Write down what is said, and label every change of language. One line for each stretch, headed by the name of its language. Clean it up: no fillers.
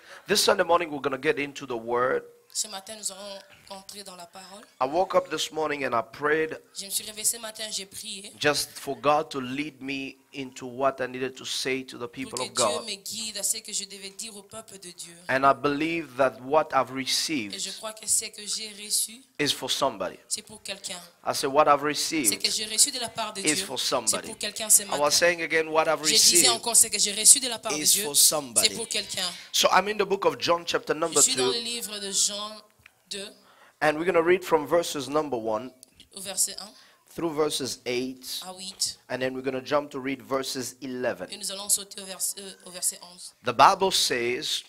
English: This Sunday morning, we're going to get into the Word.
French: Ce matin, nous allons entrer dans la parole.
English: I woke up this morning and I prayed.
French: Je me suis réveillé ce matin, j'ai prié.
English: Just for God to lead me into what I needed to say to the people
French: pour que
English: of God.
French: Dieu me guide à ce que je devais dire au peuple de Dieu.
English: And I believe that what I've received
French: et je crois que ce que j'ai reçu
English: is for somebody.
French: C'est pour quelqu'un.
English: I said what I've received
French: c'est que j'ai reçu de la part de
English: is
French: Dieu.
English: For somebody.
French: C'est pour quelqu'un ce matin.
English: I was saying again what I've received.
French: Je disais encore ce que j'ai reçu de la part de Dieu.
English: Is for somebody.
French: C'est pour quelqu'un.
English: So I'm in the book of John chapter number 2.
French: Je suis dans le livre de Jean 2.
English: And we're going to read from verses number 1.
French: Au verset 1.
English: Through verses 8, and then we're going to jump to read verses 11.
French: Et nous allons sauter au verset 11.
English: The Bible says,